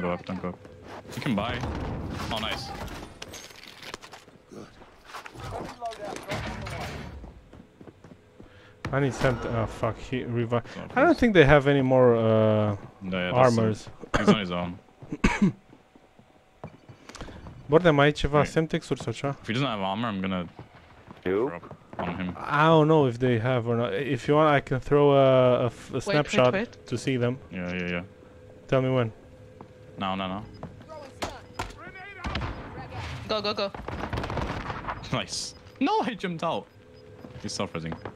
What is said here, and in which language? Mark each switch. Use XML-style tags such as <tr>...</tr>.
<en>Don't go up. You can buy. Oh, nice. I need some. Fuck, he revive. Oh, I don't think they have any more armors. He's on his own.</en> <ro>Borde, mai ai ceva Semtex-uri sau ceva?</ro> <en>If he doesn't have armor, I'm gonna throw on him. I don't know if they have or not. If you want, I can throw a snapshot to see them. Yeah. Tell me when. No. Go. Nice. No, I jumped out. He's self-resing.</en>